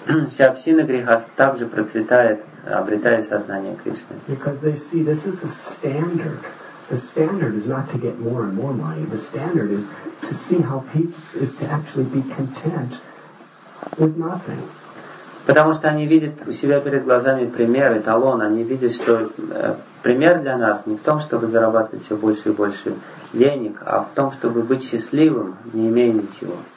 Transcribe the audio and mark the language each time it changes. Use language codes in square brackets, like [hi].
[ru] Вся община грехаст также процветает, обретая сознание Кришны. [en] Because they see this is a standard. The standard is not to get more and more money. The standard is to see how people is to actually be content [ru] Потому что они видят у себя перед глазами пример, эталон. Они видят, что пример для нас не в том, чтобы зарабатывать все больше и больше денег, а в том, чтобы быть счастливым, не имея ничего.